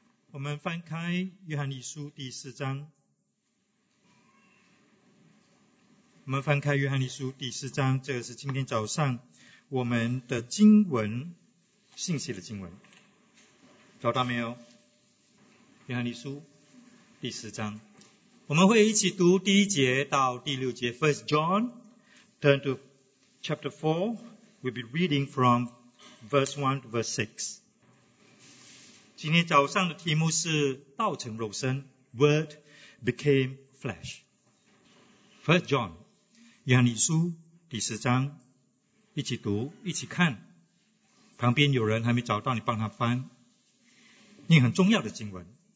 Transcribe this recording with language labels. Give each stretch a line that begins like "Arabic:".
Chinese: 我们翻开约翰一书第四章，我们翻开约翰一书第四章，这个是今天早上我们的经文，信息的经文，找到没有？约翰一书第四章，我们会一起读第一节到第六节。
English: First John, turn to chapter 4, we'll be reading from verse 1 to verse 6.
Chinese: 今天早上的题目是道成肉身
English: Word became flesh.
Chinese: First John, 约翰一书第四章，一起读一起看，旁边有人还没找到你帮他翻，你很重要的经文。